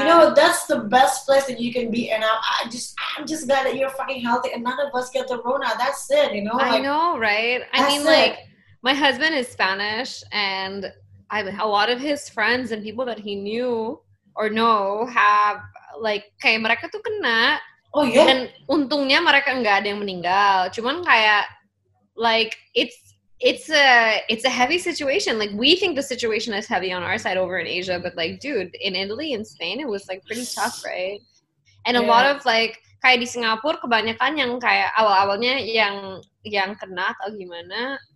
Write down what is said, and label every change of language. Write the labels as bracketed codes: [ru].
[en] You know, that's the best place that you can be. And I'm just glad that you're fucking healthy and none of us get the Rona. That's it, you know. Like, I know, right? I mean, it. Like, my husband is Spanish, and I have a lot of his friends and people that he knew. Or no, have, like, [id] kayak mereka tuh kena. [en] Oh, yeah? [id] Dan untungnya mereka enggak ada yang meninggal. Cuman kayak, [en] like, it's a heavy situation. Like, we think the situation is heavy on our side over in Asia. But, like, dude, in Italy and Spain, it was, like, pretty tough, right? And a lot of, like, [id] kayak di Singapura kebanyakan yang kayak awal-awalnya yang kena atau gimana.